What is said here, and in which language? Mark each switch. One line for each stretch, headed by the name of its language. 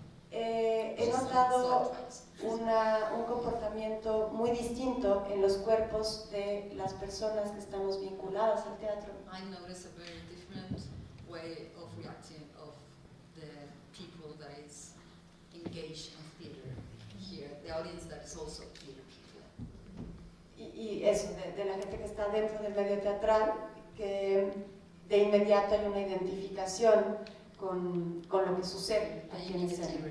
Spanish: He notado un comportamiento muy distinto en los cuerpos de las personas que estamos vinculadas al teatro.
English: I noticed a very different way of reacting of the people that is engaged in theater here, the audience that is also theater people.
Spanish: Y eso, de la gente que está dentro del medio teatral, que de inmediato hay una identificación con lo que sucede aquí en escena.